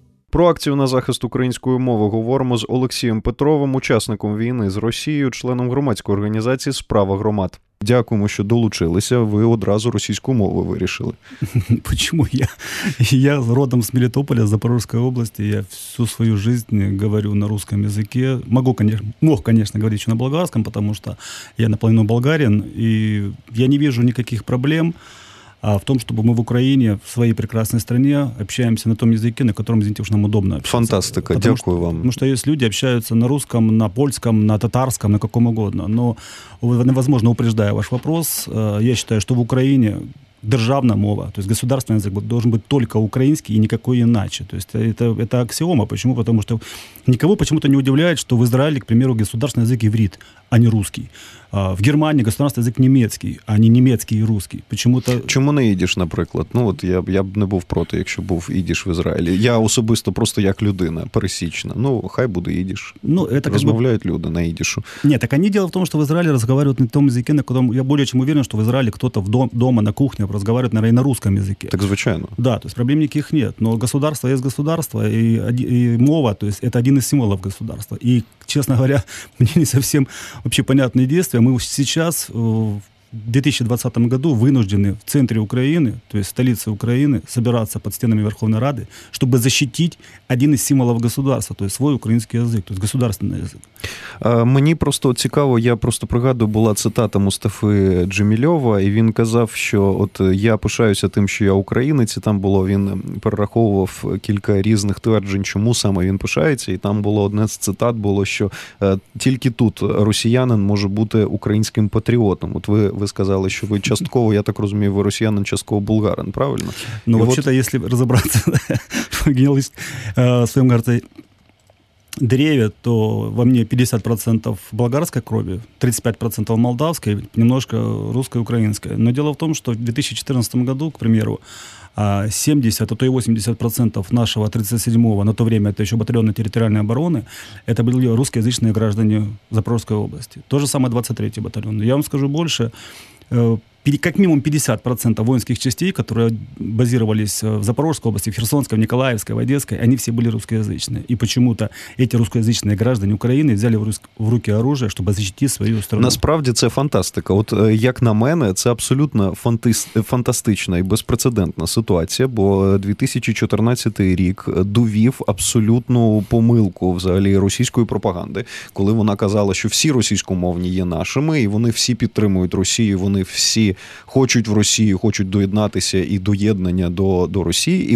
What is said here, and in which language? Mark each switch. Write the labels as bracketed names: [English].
[Ukrainian] Про акцію на захист української мови говоримо з Олексієм Петровим, учасником війни з Росією, членом громадської організації «Справа громад». Дякуємо, що долучилися. Ви одразу російську мову вирішили. Почому я? Я родом з Мелітополя, Запорізької області. [Russian] Я всю свою життя говорю на русском языке. Мог, конечно, говорить еще на болгарском, потому что я наполовину болгарин. И я не вижу никаких проблем в том, чтобы мы в Украине, в своей прекрасной стране, общаемся на том языке, на котором, извините, уж нам удобно общаться. [Ukrainian] Фантастика, дякую вам. [Russian] Потому что есть люди, общаются на русском, на польском, на татарском, на каком угодно. Но, возможно, упреждая ваш вопрос, я считаю, что в Украине державная мова, то есть государственный язык должен быть только украинский и никакой иначе. То есть это аксиома. Почему? Потому что никого почему-то не удивляет, что в Израиле, к примеру, государственный язык иврит, а не русский. В Германии государственный язык немецкий, а не немецкий и русский. Почему-то... [Ukrainian] Чому не ідиш, наприклад? Ну, от я б не був проти, якщо був ідиш в Ізраїлі. Я особисто просто як людина пересічна. Ну, хай буде ідиш. [Russian] Ну, это [Ukrainian] розмовляють [Russian] как бы... [Ukrainian] люди на ідишу. [Russian] Ні, так они дело в том, что в Израиле разговаривают на том языке, на котором... Я более чем уверен, что в Израиле кто-то дома на кухне разговаривает, наверное, и на русском языке. [Ukrainian] Так, звичайно. [Russian] Да, то есть проблем никаких нет. Но государство есть государство, и мова, то есть это один из символов государства. И, честно говоря, мне не совсем вообще понятные действия. Мы сейчас, в 2020 году, вынуждены в центре Украины, то есть столице Украины, собираться под стенами Верховной Рады, чтобы защитить один из символов государства, то есть свой украинский язык, то есть государственный язык. [Ukrainian] Мені просто цікаво, я просто пригадую, була цитата Мустафи Джемільова, і він казав, що от я пишаюся тим, що я українець, і там було, він перераховував кілька різних тверджень, чому саме він пишається, і там було одне з цитат, було, що тільки тут росіянин може бути українським патріотом. От ви сказали, що ви частково, я так розумію, ви росіянин, частково булгарин, правильно? Ну, взагалі-то, якщо розібратися, генеалогічно, своєму гарці... [Russian] Древе, то во мне 50% болгарской крови, 35% молдавской, немножко русской и украинской. Но дело в том, что в 2014 году, к примеру, 70, а то и 80% нашего 37-го, на то время это еще батальоны территориальной обороны, это были русскоязычные граждане Запорожской области. То же самое 23-й батальон. Я вам скажу больше, как минимум 50% воинских частей, которые базировались в Запорожской области, в Херсонской, в Николаевской, в Одесской, они все были русскоязычные. И почему-то эти русскоязычные граждане Украины взяли в руки оружие, чтобы защитить свою страну. [Ukrainian] Насправді, це фантастика. От, як на мене, це абсолютно фантастична і безпрецедентна ситуація, бо 2014 рік довів абсолютну помилку взагалі російської пропаганди, коли вона казала, що всі російськомовні є нашими, і вони всі підтримують Росію, вони всі хочуть в Росію, хочуть доєднатися і доєднання до Росії.